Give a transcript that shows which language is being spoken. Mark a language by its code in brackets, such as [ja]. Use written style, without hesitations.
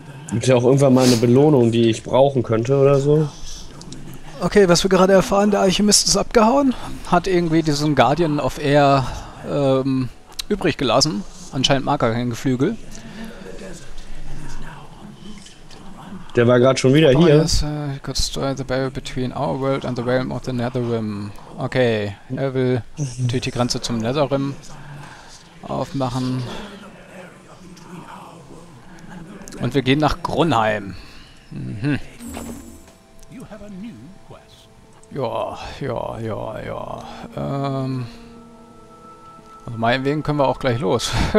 [de] Gibt ja auch irgendwann mal eine Belohnung, die ich brauchen könnte oder so. Okay, was wir gerade erfahren, der Alchemist ist abgehauen. Hat irgendwie diesen Guardian of Air übrig gelassen. Anscheinend mag er kein Geflügel. Der war gerade schon wieder hier. [en] Yes, he could destroy the barrier between our world and the realm of the Netherrim. [de] Okay, er will natürlich die Grenze zum Netherrim aufmachen. Und wir gehen nach Grunheim. Mhm. Ja. Also meinetwegen können wir auch gleich los.